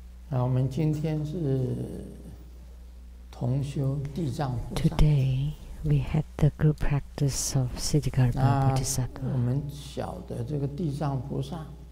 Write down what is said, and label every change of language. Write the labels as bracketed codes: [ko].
[zh] 那我们今天是同修地藏菩萨。 [en] Today we had the group practice of Ksitigarbha Bodhisattva. [zh] 那我们晓得这个地藏菩萨。